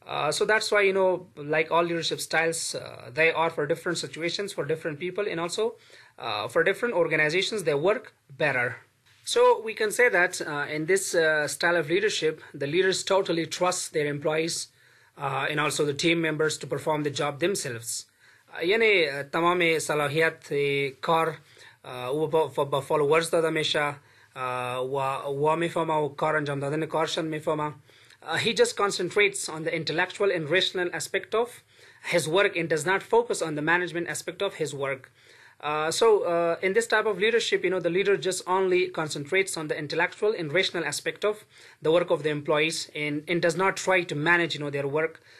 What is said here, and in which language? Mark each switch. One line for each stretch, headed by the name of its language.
English: So that's why, you know, like all leadership styles, they are for different situations, for different people, and also for different organizations, they work better. So we can say that in this style of leadership, the leaders totally trust their employees and also the team members to perform the job themselves.
Persian: یعنی تمام صلاحیت کار با فالوورز داده میشه و او میفهمه و کار انجام دادن کارشان میفهمه.
English: He just concentrates on the intellectual and rational aspect of his work and does not focus on the management aspect of his work. So in this type of leadership, you know, the leader just only concentrates on the intellectual and rational aspect of the work of the employees and does not try to manage, you know, their work.